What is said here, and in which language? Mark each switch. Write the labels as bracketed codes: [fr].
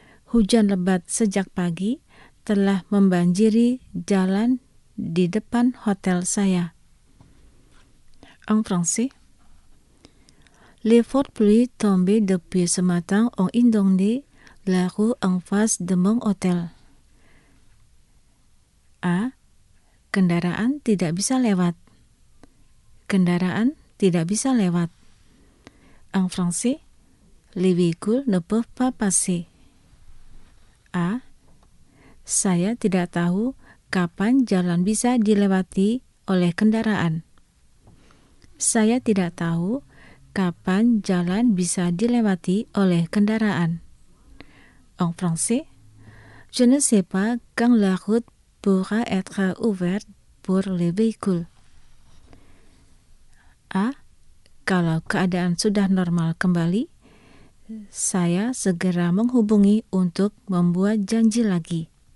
[id] Hujan lebat sejak pagi telah membanjiri jalan di depan hotel saya. [fr] En français. Les fortes pluies tombées depuis ce matin ont inondé la rue en face de mon hôtel. A. [id] Kendaraan tidak bisa lewat. Kendaraan tidak bisa lewat. [fr] En français. Les véhicules ne peuvent pas passer. A. [id] Saya tidak tahu kapan jalan bisa dilewati oleh kendaraan. Saya tidak tahu kapan jalan bisa dilewati oleh kendaraan. [fr] En français, je ne sais pas quand la route pourra être ouverte pour les véhicules. [id] A. Kalau keadaan sudah normal kembali, saya segera menghubungi untuk membuat janji lagi.